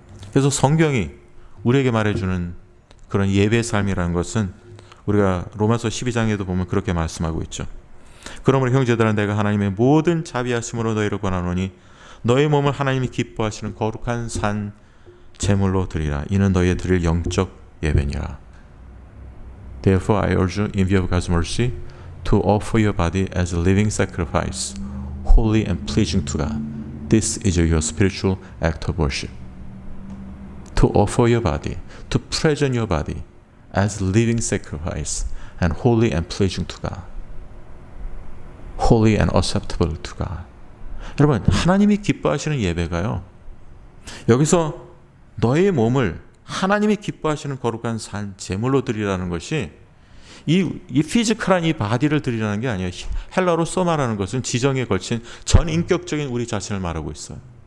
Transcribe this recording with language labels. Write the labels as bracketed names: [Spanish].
[Korean] 그래서 성경이 우리에게 말해주는 그런 예배의 삶이라는 것은 우리가 로마서 12장에도 보면 그렇게 말씀하고 있죠. 그러므로 형제들아 내가 하나님의 모든 자비하심으로 너희를 권하노니 너희 몸을 하나님이 기뻐하시는 거룩한 산 제물로 드리라. 이는 너희의 드릴 영적 예배니라. [English] Therefore I urge you in view of God's mercy to offer your body as a living sacrifice, holy and pleasing to God. This is your spiritual act of worship. To offer your body, to present your body as a living sacrifice and holy and pleasing to God. Holy and acceptable to God. [Korean] 여러분 하나님이 기뻐하시는 예배가요. 여기서 너의 몸을 하나님이 기뻐하시는 거룩한 산 제물로 드리라는 것이 이 피지컬한 이 바디를 드리라는 게 아니에요. 헬라로 소마라는 것은 지정에 걸친 전인격적인 우리 자신을 말하고 있어요.